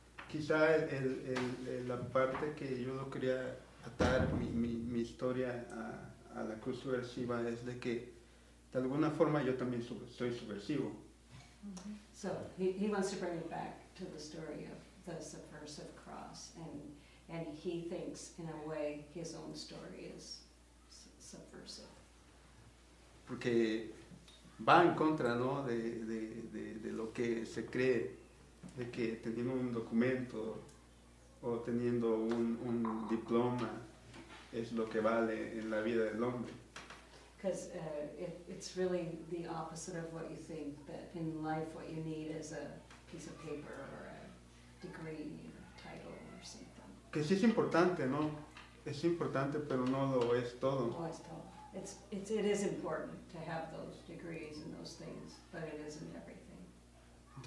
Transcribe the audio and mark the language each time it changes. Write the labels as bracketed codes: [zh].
[es] Quizá la parte que yo lo quería atar, mi historia a la cruz subversiva, es de que de alguna forma yo también soy subversivo. [en] So he wants to bring it back to the story of the subversive cross, and he thinks in a way his own story is subversive. [es] Porque va en contra, ¿no? De lo que se cree, de que teniendo un documento o teniendo un diploma es lo que vale en la vida del hombre. [en] Because it's really the opposite of what you think, that in life what you need is a piece of paper or a degree or a title or something. [es] Que sí es importante, ¿no? Es importante, pero no lo es todo. [en] Oh, it's [es] todo. [en] It is important to have those degrees and those things, but it isn't everything.